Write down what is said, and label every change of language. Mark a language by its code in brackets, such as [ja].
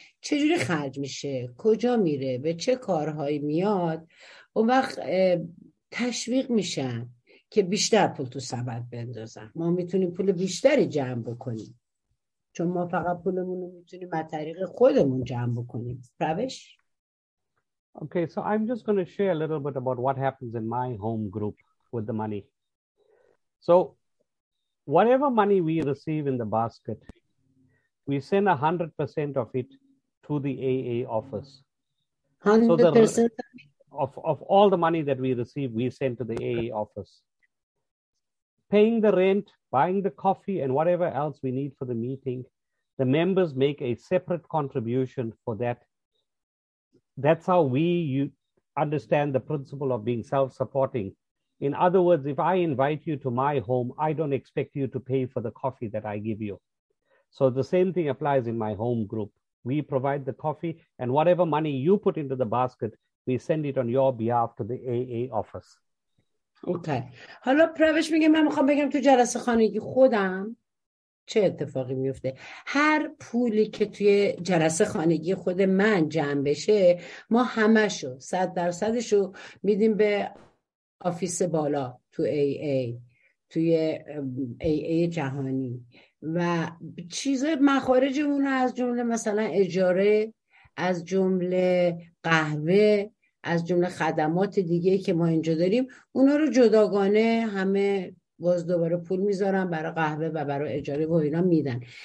[fa] چجوری خرج میشه، کجا میره، به چه کارهایی میاد، اون وقت تشویق میشن که بیشتر پول تو سبد بندازن. ما میتونیم پول بیشتری جمع بکنیم چون ما فقط پولمون رو میتونیم از طریق خودمون جمع بکنیم. روش؟ [en] Okay, so I'm just going to share a little bit about what happens in my home group with the money. So whatever money we receive in the basket, we send 100% of it to the AA office. 100%? So of all the money that we receive, we send to the AA office. Paying the rent, buying the coffee, and whatever else we need for the meeting, the members make a separate contribution for that. That's how we understand the principle of being self-supporting. In other words, if I invite you to my home, I don't expect you to pay for the coffee that I give you. So the same thing applies in my home group. We provide the coffee, and whatever money you put into the basket, we send it on your behalf to the AA office. Okay. [fa] حالا پروش میگه من میخوام بگم تو جلسه خانگی خودم چه اتفاقی میفته. هر پولی که توی جلسه خانگی خود من جمع بشه، ما همشو 100%شو میدیم به آفیس بالا تو AA، توی AA جهانی، و چیز مخارجمون رو از جمله مثلا اجاره، از جمله قهوه، از جمله خدمات دیگه که ما اینجا داریم، اونا رو جداگانه همه باز دوباره پول میذارن برای قهوه و برای اجاره و اینا میدن.